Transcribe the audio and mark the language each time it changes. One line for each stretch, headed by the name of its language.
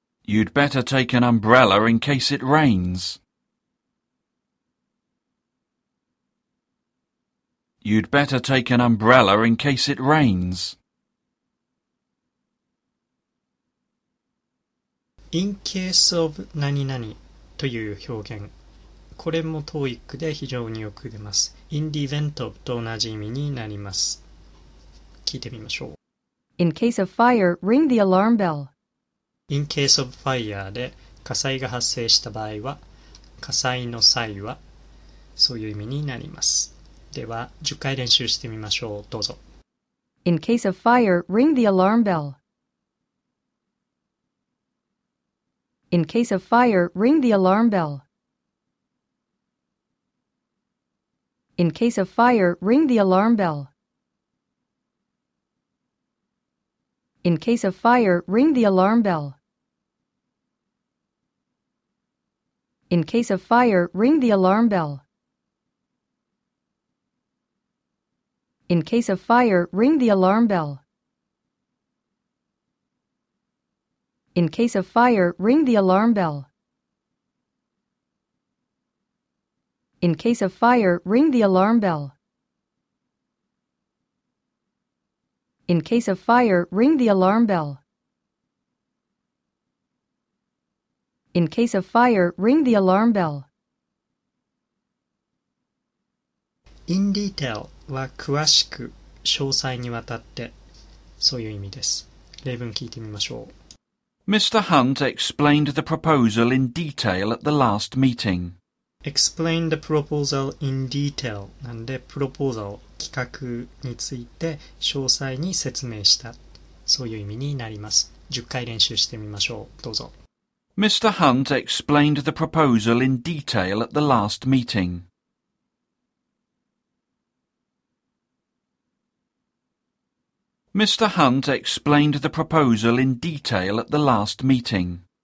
English: You'd better take an umbrella in case it rains. You'd better take an umbrella in case it rains.
Japanese: In case of 何々という表現、これも TOEIC で非常によく出ます。 In the event of と同じ意味になります。聞いてみましょう。
English: In case of fire, ring the alarm bell. In case of fire
Japanese: で火災が発生した場合は、火災の際は、そういう意味になります。では、10回練習してみましょう。どうぞ。
English: In case of fire, ring the alarm bell. In case of fire, ring the alarm bell. In case of fire, ring the alarm bell. In case of fire, ring the alarm bell. In case of fire, ring the alarm bell. In case of fire, ring the alarm bell. In case of fire, ring the alarm bell. In case of fire, ring the alarm bell. In case of fire, ring the alarm bell. In case of fire, ring the alarm bell.
Japanese: In detail は詳しく、詳細にわたって、そういう意味です。例文聞いてみましょう。
English: Mr. Hunt explained the proposal in detail at the last meeting. Explain the proposal in detail.
Japanese: なんで、プロポーザル、企画について詳細に説明した。そういう意味になります。10回練習してみましょう。どうぞ。
English: Mr. Hunt explained the proposal in detail at the last meeting. Mr. Hunt explained the proposal in detail at the last meeting.